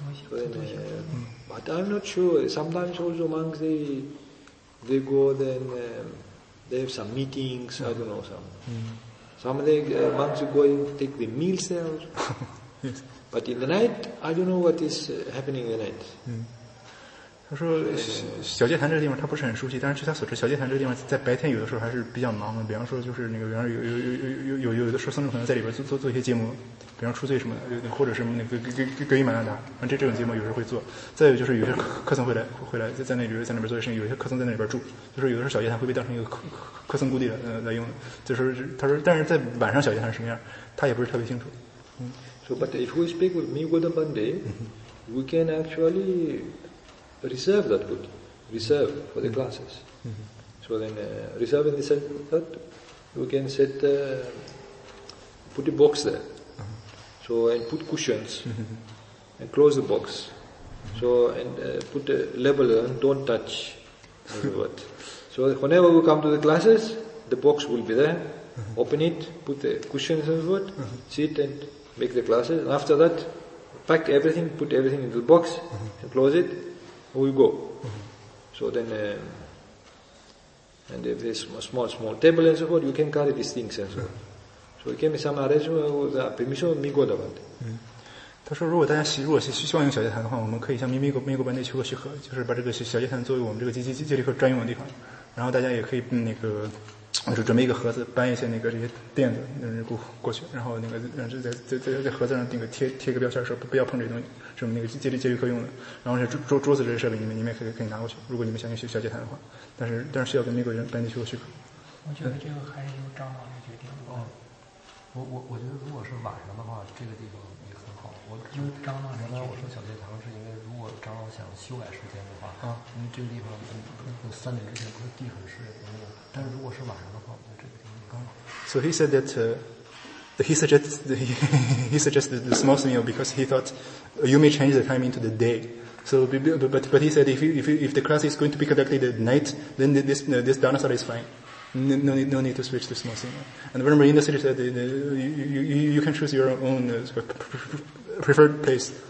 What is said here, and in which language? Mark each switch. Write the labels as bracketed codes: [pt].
[en] So then, but I'm not sure. Sometimes also monks they go then they have some meetings. Yeah. I don't know some. Mm-hmm. Some of the monks who go and take the meals there. Yes. But in the night, I don't know what is happening in the night. [zh] 嗯，他说小戒坛这个地方他不是很熟悉，但是据他所知，小戒坛这个地方在白天有的时候还是比较忙的。比方说，就是那个，比方有的时候僧众可能在里边做一些节目，比方出罪什么的，或者是那个皈依满兰达，反正这种节目有时候会做。再有就是有些客僧回来在那边做事情，有些客僧在那边住，就是有的时候小戒坛会被当成一个客僧故地的来用。就是他说，但是在晚上小戒坛是什么样，他也不是特别清楚。嗯。 [en] So, but if we speak with Migodabande, we can actually reserve that good, reserve for the classes. So then, reserving the set, that, we can set, put a box there. So, and put cushions, and close the box. So, and put a level on, don't touch. What. So, whenever we come to the classes, the box will be there. Open it, put the cushions and what, sit and make the classes, and after that, pack everything, put everything into the box, and close it, and we go. So then, and if there's a small table and so forth, you can carry these things and so forth. So it came some arrangement with the permission of Migodabande. [zh] 他说：“如果大家希望用小戒坛的话，我们可以向密国班内求个许可，就是把这个小戒坛作为我们这个戒律课专用的地方。然后大家也可以那个，就准备一个盒子，搬一些那个这些垫子，过去。然后那个在盒子上那个贴个标签说不要碰这些东西，是我们那个戒律课用的。然后桌子这些设备你们也可以拿过去，如果你们想用小戒坛的话，但是需要跟密国班内求个许可。” 我觉得这个还是由长老来决定吧。我觉得如果是晚上的话，这个地方也很好。我因为张老刚才我说小戒堂，是因为如果张老想修改时间的话，啊，因为这个地方3点之前不是地很适合。但是如果是晚上的话，我觉得这个地方刚好。 [en] So he said that he suggested the small meal because he thought you may change the time into the day. So, but he said if the class is going to be conducted at night, then this dhanasala is fine. No need to switch to small sinha. And the Venerable Inda Sirisa said you can choose your own preferred place.